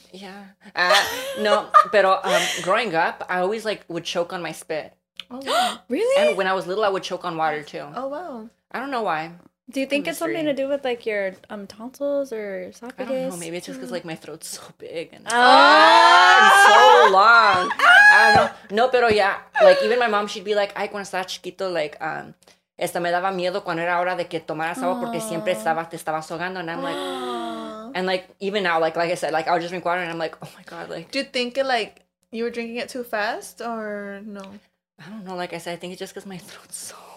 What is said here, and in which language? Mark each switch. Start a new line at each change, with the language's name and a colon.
English: Yeah. No, pero growing up, I always like would choke on my spit. Oh, really? And when I was little, I would choke on water too. Oh, wow. I don't know why. Do you think it's something to do with like your tonsils or esophagus? I don't know. Maybe it's just because like my throat's so big and, oh! and so long. I don't know. No, pero yeah. Like even my mom, she'd be like,
Spanish: ay, cuando estaba chiquito, like, esta me daba miedo cuando era hora de que tomaras agua porque siempre te estaba ahogando.
English: And I'm like, and like even now, like I said, like I'll just drink water and I'm like, oh my God. Like, do you think it like you were drinking it too fast or no? I don't know. Like I said, I think it's just because my throat's so.